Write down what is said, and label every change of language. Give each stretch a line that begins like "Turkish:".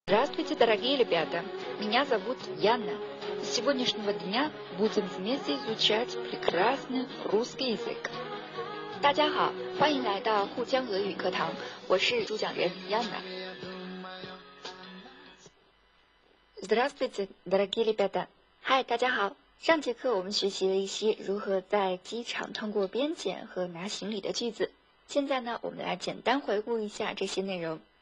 Russian: Здравствуйте, дорогие ребята! Меня зовут Яна. С сегодняшнего дня будем вместе изучать прекрасный русский язык.
Chinese: 大家好, 欢迎来到互江俄语课堂, 我是主讲人, Яна.
Russian: Здравствуйте, дорогие ребята!
Chinese: Hi, 大家好! 上节课我们学习了一些如何在机场通过边检和拿行李的句子。现在呢,我们来简单回顾一下这些内容。